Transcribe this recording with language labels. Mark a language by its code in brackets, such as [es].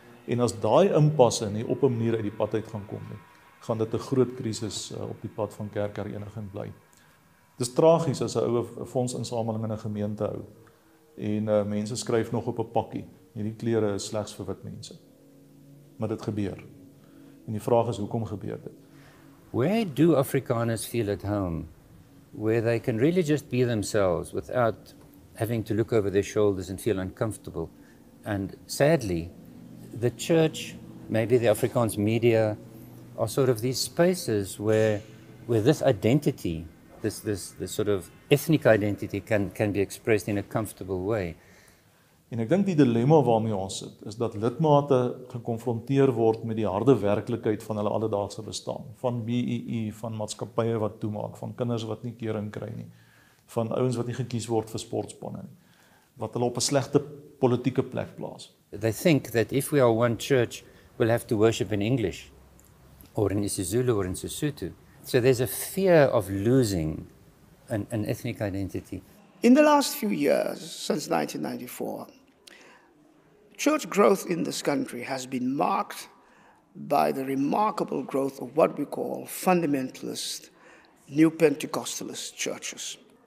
[af] En as daai impasse nie op 'n manier uit die pad uit gaan kom nie, gaan dit 'n groot krisis op die pad van kerkhereniging bly. Dis tragies as 'n ou fondsinsameling in 'n gemeente hou en mense skryf nog op 'n pakkie, hierdie klere is slegs vir wit mense. Maar dit gebeur. En die vraag is hoekom gebeur dit? [en] Where do Afrikaners feel at home, where they can really just be themselves without having to look over their shoulders and feel uncomfortable? And sadly, the church, maybe the Afrikaans media, are sort of these spaces where this identity, this sort of ethnic identity can be expressed in a comfortable way. [af] En ek dink die dilemma waarmee ons sit, is dat lidmate gekonfronteer word met die harde werklikheid van hulle alledaagse bestaan, van BEE, van maatskappye wat toemaak, van kinders wat nie kering kry nie, van ouens wat nie gekies word vir sportspanne nie, wat hulle op 'n slegte politieke plek plaas. [en] They think that if we are one church, we'll have to worship in English, or in isiZulu, or in Sesotho. So there's a fear of losing an ethnic identity. In the last few years, since 1994, church growth in this country has been marked by the remarkable growth of what we call fundamentalist, new Pentecostalist churches.